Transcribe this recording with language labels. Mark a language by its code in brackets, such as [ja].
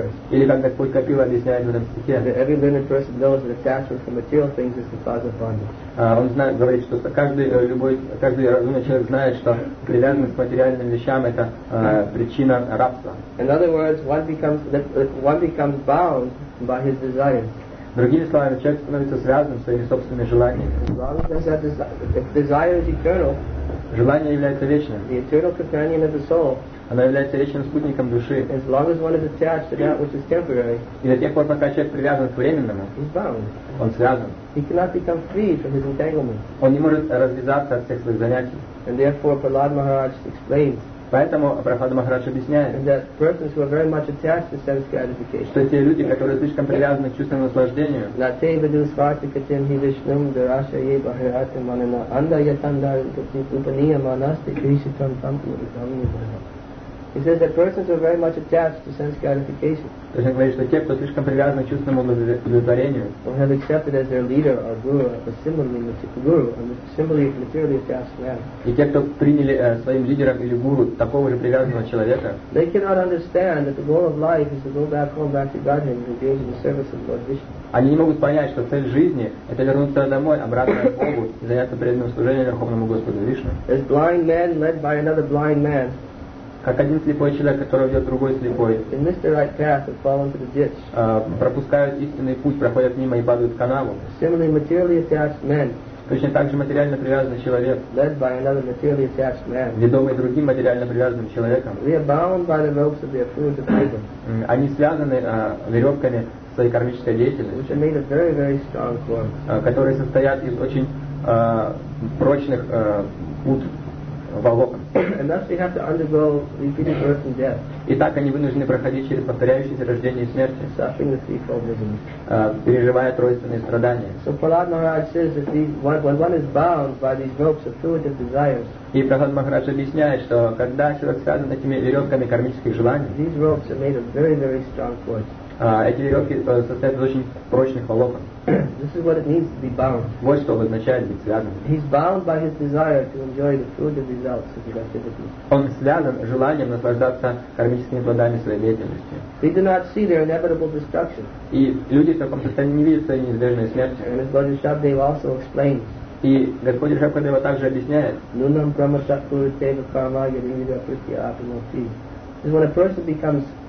[ru] Или как Господь Капила объясняет в этом стихе. [en] Every learned person knows that attachment to material things is the cause of bondage. [ru] Он знает, говорит, что каждый разумный человек знает, что привязанность к материальным вещам это причина рабства. [en] In other words, one becomes bound by his desires. [ru] Другими словами, человек становится связанным своими собственными желаниями. [en] If desire is eternal. [ru] Желание является вечным. [en] The eternal companion of the soul. [ru] Оно является вечным спутником души. [en] As long as one is attached to that which is temporary. [ru] И до тех пор, пока человек привязан к временному. [en] He's bound. [ru] Он связан. [en] He cannot become free from his entanglement. [ru] Он не может развязаться от всех своих занятий. [en] And therefore, Prahlad Maharaj explains. [ru] Поэтому Прахлада Махарадж объясняет, [en] that persons who are very much attached to sense gratification, [ru] что те люди, которые слишком привязаны к чувственному наслаждению, натейбаду сватикатем хивишнум дарашайе бахиратем манена андайятандарутти упаниямаанасти кришитам тампуритамнибхава. [en] He says that persons who are very much attached to sense gratification, [ru] то есть он говорит, что те, кто слишком привязаны к чувственному удовлетворению, [en] who have accepted as their leader or guru a similarly materially attached man, [ru] и те, кто приняли своим лидером или гуру такого же привязанного человека, [en] they cannot understand that the goal of life is to go back home, back to Godhead, and engage in the service of Lord Vishnu. [ru] Они не могут понять, что цель жизни — это вернуться домой, обратно к Богу, и заняться преданным служением Верховному Господу Вишну. [en] As blind man led by another blind man. [ru] Как один слепой человек, который ведет другой слепой. [en] They miss the right path and fall into the ditch. [ru] Пропускают истинный путь, проходят мимо и падают в канаву. [en] Similarly, materially attached men. [ru] Точно так же материально привязанный человек. [en] Led by another materially attached man. [ru] Ведомый другим материально привязанным человеком. [en] They are bound by the ropes of their food and freedom. [ru] Они связаны веревками своей кармической деятельности. [en] Which are made of very, very strong cords. [ru] Которые состоят из очень прочных пут. [en] And thus they have to undergo repeated birth and death. [ru] И так они вынуждены проходить через повторяющиеся рождения и смерти. [en] Suffering the threefold misery. [ru] Переживая тройственные страдания. [en] So Prahlad Maharaj says that when one is bound by these ropes of fluid desires. [ru] И Прахлад Махарадж объясняет, что когда человек связан этими веревками кармических желаний. [en] These ropes are made of very, very strong cords. [ru] Эти веревки состоят из очень прочных волокон. [en] This is what it means to be bound. [ru] Вот что означает быть связанным. [en] He's bound by his desire to enjoy the fruit and results of his activity. [ru] Он связан желанием наслаждаться кармическими плодами своей деятельности. [en] They do not see their inevitable destruction. [ru] И люди в таком состоянии не видят своей неизбежной смерти. [en] And as Lord Shabdev also explains. [ru] И Господь Шабхадева также объясняет. Нунам Брамашатпуру Тева Карма Ярмида Прития Апимофи. [en] This is when a person becomes